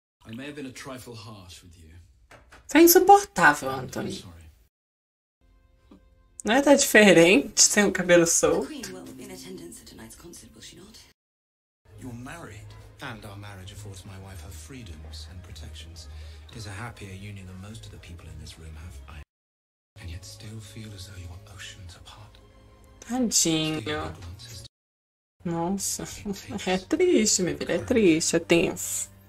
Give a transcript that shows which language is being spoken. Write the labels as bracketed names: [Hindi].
[English] I may have been a trifle harsh with you. [Portuguese] Tá insuportável, Anthony. Não é tá diferente, tem o cabelo solto. [English] You're married. And our marriage affords my wife her freedoms and protections. It is a happier union than most of the people in this room have. I and yet still feel as though you are oceans apart. [Portuguese] Tadinho. Nossa, é triste, minha filha, é triste, é tenso.